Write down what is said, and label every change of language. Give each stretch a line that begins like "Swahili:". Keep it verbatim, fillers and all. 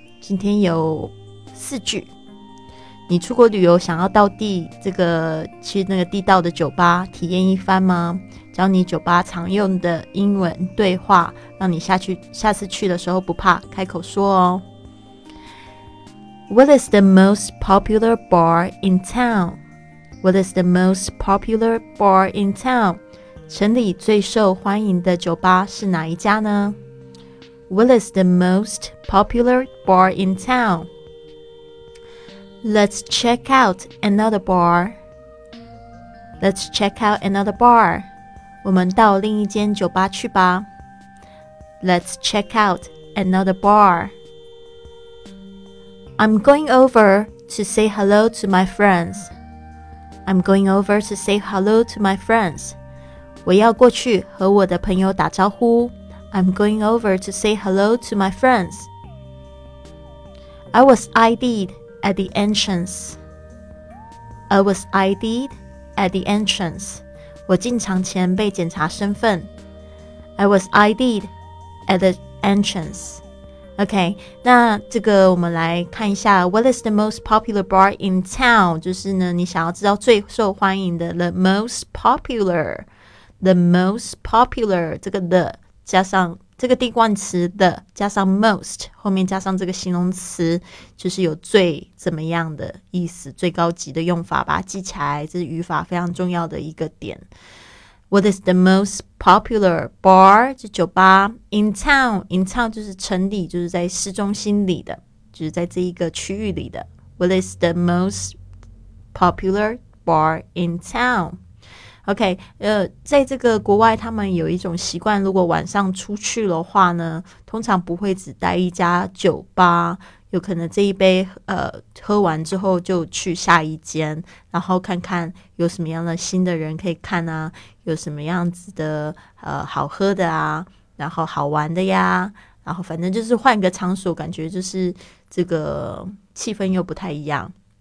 Chinese: 今天有四句。你出国旅游想要到地这个去那个地道的酒吧体验一番吗？教你酒吧常用的英文对话，让你下去下次去的时候不怕开口说哦。
English: What is the most popular bar in town? What is the most popular bar in town?
Chinese: 城里最受欢迎的酒吧是哪一家呢？
English: What is the most popular bar in town? Let's check out another bar. Let's check out another bar.
Chinese: 我们到另一间酒吧去吧。
English: Let's check out another bar. I'm going over to say hello to my friends. I'm going over to say hello to my friends.
Chinese: 我要过去和我的朋友打招呼。
English: I'm going over to say hello to my friends. I was ID'd at the entrance. I was ID'd at the entrance.
Chinese: 我进场前被检查身份。
English: I was ID'd at the entrance. OK，
Chinese: 那这个我们来看一下
English: What is the most popular bar in town?
Chinese: 就是呢，你想要知道最受欢迎的
English: The most popular The most popular
Chinese: 这个 the 加上这个定冠词 the 加上 most 后面加上这个形容词，就是有最怎么样的意思，最高级的用法，把它记起来，这是语法非常重要的一个点。
English: What is the most popular bar?
Chinese: 就酒吧
English: in town. In town
Chinese: 就是城里，就是在市中心里的，就是在这一个区域里的。
English: What is the most popular bar in town?
Chinese: OK， 呃，在这个国外，他们有一种习惯，如果晚上出去的话呢，通常不会只待一家酒吧。有可能这一杯呃喝完之后就去下一间，然后看看有什么样的新的人可以看啊，有什么样子的呃好喝的啊，然后好玩的呀，然后反正就是换个场所，感觉就是这个气氛又不太一样。